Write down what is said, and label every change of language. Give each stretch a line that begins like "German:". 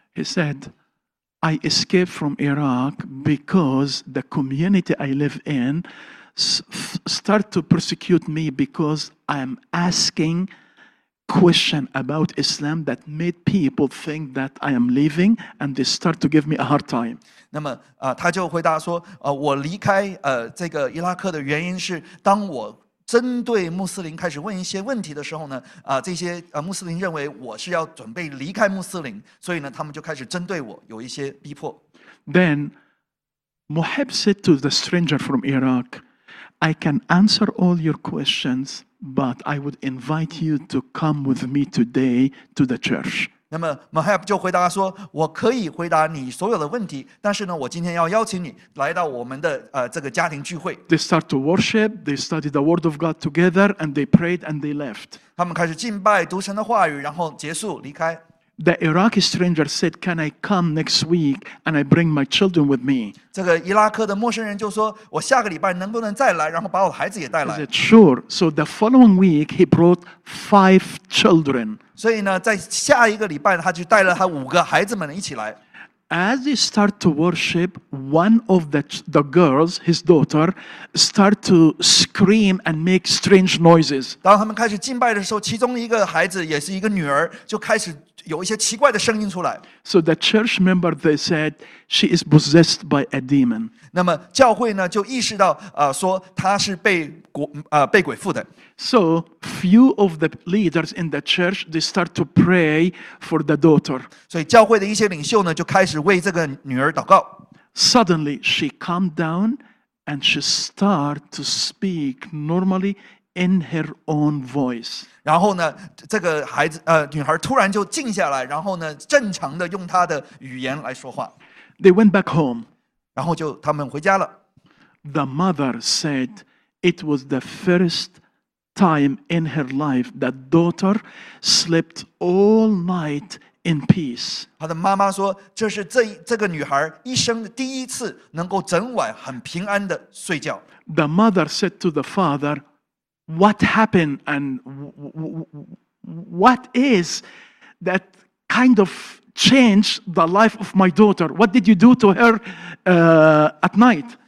English: He said, I escaped from Iraq because the community I live in start to persecute me because I'm asking question about Islam that made people think that I am leaving and they start to give me a hard time.
Chinese: 那么他就回答说我离开这个伊拉克的原因是当我针对穆斯林开始问一些问题的时候呢这些穆斯林认为我是要准备离开穆斯林所以呢他们就开始针对我有一些逼迫。
English: Then Muhib said to the stranger from Iraq, I can answer all your questions, but I would invite you to come with me today to the church.
Chinese: 那么 Muhib 就回答说我可以回答你所有的问题但是呢我今天要邀请你来到我们的这个家庭聚会。
English: They start to worship, they study the word of God together, and they prayed and they left.
Chinese: 他们开始敬拜读神的话语然后结束离开。
English: The Iraqi stranger said, "Can I come next week and I bring my children with me?"
Chinese: 这个伊拉克的陌生人就说，我下个礼拜能不能再来，然后把我孩子也带来。
English: Is it sure? So the following week, he brought 5 children.
Chinese: 所以呢，在下一个礼拜，他就带了他五个孩子们一起来。
English: As he start to worship, one of the girls, his daughter, start to scream and make strange noises.
Chinese: 当他们开始敬拜的时候，其中一个孩子也是一个女儿，就开始有一些奇怪的声音出来。
English: So the church member they said she is possessed by a demon.
Chinese: 那么教会呢就意识到说她是被鬼附的。
English: So few of the leaders in the church they start to pray for the daughter.
Chinese: 所以教会的一些领袖呢就开始为这个女儿祷告。
English: Suddenly she calmed down and she started to speak normally. In her own voice.
Chinese: 然后呢，这个孩子女孩突然就静下来，然后呢，正常的用她的语言来说话。
English: They went back home.
Chinese: 然后就他们回家了。
English: The mother said it was the first time in her life that daughter slept all night in peace.
Chinese: 她的妈妈说，这是这个女孩一生的第一次能够整晚很平安的睡觉。
English: The mother said to the father. What happened and what is that kind of change the life of my daughter? What did you do to her at night?